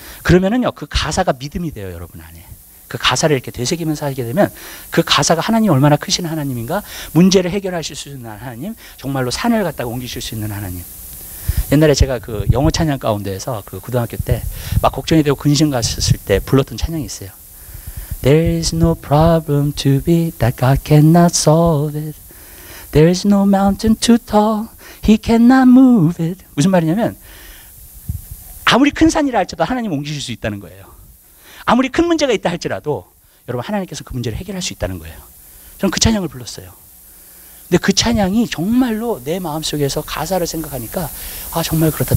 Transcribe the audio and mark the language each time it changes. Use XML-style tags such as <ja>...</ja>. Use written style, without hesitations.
<ko>그러면은요, 그 가사가 믿음이 돼요, 여러분 안에. 그 가사를 이렇게 되새기면서 하게 되면 그 가사가 하나님 얼마나 크신 하나님인가, 문제를 해결하실 수 있는 하나님, 정말로 산을 갖다가 옮기실 수 있는 하나님. 옛날에 제가 그 영어 찬양 가운데에서 그 고등학교 때 막 걱정이 되고 근심 갔었을 때 불렀던 찬양이 있어요.</ko> <en>There is no problem to be that God cannot solve it. There is no mountain too tall, He cannot move it.</en> <ko>무슨 말이냐면 아무리 큰 산이라 할지라도 하나님 옮기실 수 있다는 거예요. 아무리 큰 문제가 있다 할지라도 여러분 하나님께서 그 문제를 해결할 수 있다는 거예요. 저는 그 찬양을 불렀어요. 근데 그 찬양이 정말로 내 마음속에서 가사를 생각하니까 아 정말 그렇다.</ko>